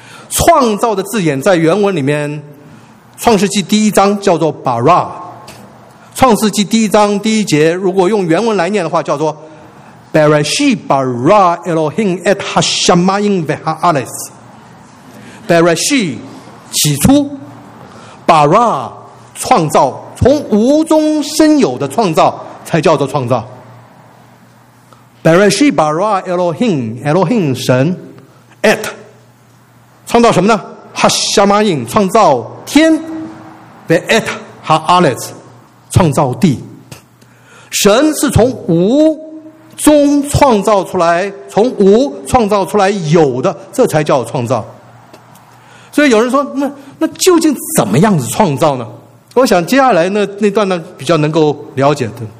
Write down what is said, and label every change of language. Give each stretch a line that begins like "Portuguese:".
Chinese: 创造的字眼在原文里面，创世纪第一章叫做 bara， 创世纪第一章第一节如果用原文来念的话，叫做
Hebrew: bereshit bara Elohim et hashamayim veha'aretz，
Chinese: bereshit 起初， bara 创造，从无中生有的创造才叫做创造。
Hebrew: Bereshit bara Elohim
Chinese: 神 at 创造什么呢？ Hashamayim 创造天，
Hebrew: Be'et ha'aretz
Chinese: 创造地。神是从无中创造出来，从无创造出来有的，这才叫创造。所以有人说，那究竟怎么样子创造呢？我想接下来那段呢比较能够了解的。